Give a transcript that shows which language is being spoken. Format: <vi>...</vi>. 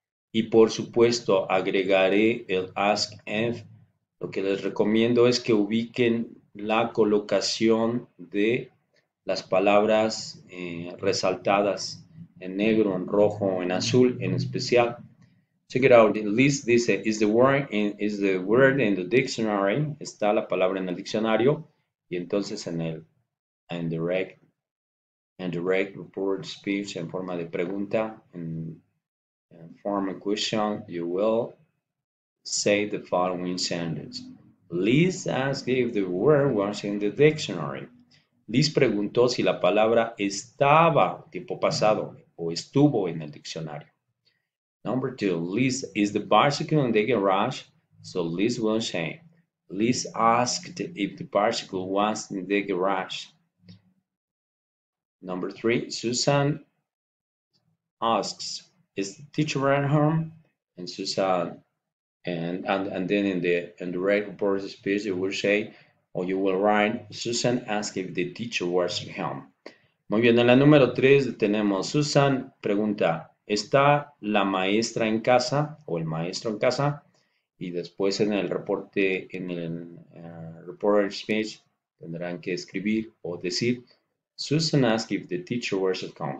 <es>Y por supuesto, agregaré el ask if. Lo que les recomiendo es que ubiquen la colocación de las palabras resaltadas en negro, en rojo, en azul, en especial.</es> <en>Check it out. Liz dice, is the word in the dictionary?</en> <es>¿Está la palabra en el diccionario? Y entonces en el and direct report speech en forma de pregunta, en form a question,</es> <en>you will say the following sentence. Liz asked if the word was in the dictionary.</en> <es>Liz preguntó si la palabra estaba, tiempo pasado, o estuvo en el diccionario.</es> <en>Number two, Liz, is the bicycle in the garage? So Liz will say, Liz asked if the bicycle was in the garage. Number three, Susan asks, is the teacher at home? And Susan, and then in the direct report speech, you will say, or you will write, Susan asked if the teacher was at home.</en> <es>Muy bien, en la número tres tenemos, Susan pregunta, ¿está la maestra en casa o el maestro en casa? Y después en el reporte, en el report speech, tendrán que escribir o decir,</es> <en>Susan asked if the teacher was at home.</en>